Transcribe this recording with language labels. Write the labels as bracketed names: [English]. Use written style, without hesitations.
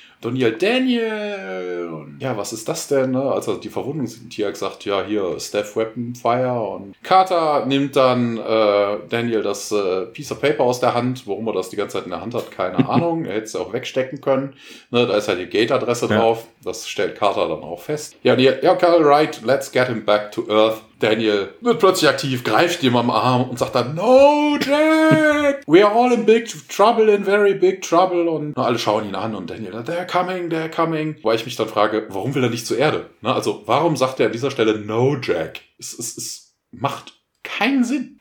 [German] Daniel, ja, was ist das denn? Ne? Also die Verwundung sind hier gesagt, ja, hier, Staff Weapon Fire. Und Carter nimmt dann Daniel das [English] Piece of Paper [German] aus der Hand, warum er das die ganze Zeit in der Hand hat, keine Ahnung. Er hätte es auch wegstecken können. Ne, da ist halt die Gate-Adresse drauf. Das stellt Carter dann auch fest. [English] Ja, okay, right, let's get him back to Earth. [German] Daniel wird plötzlich aktiv, greift ihm am Arm und sagt dann, [English] no, Jack, we are all in big trouble, [German] in very big trouble. Und alle schauen ihn an und Daniel, [English] they're coming. [German] Wobei ich mich dann frage, warum will er nicht zur Erde? Na, also warum sagt er an dieser Stelle, [English] no, Jack? [German] Es macht keinen Sinn.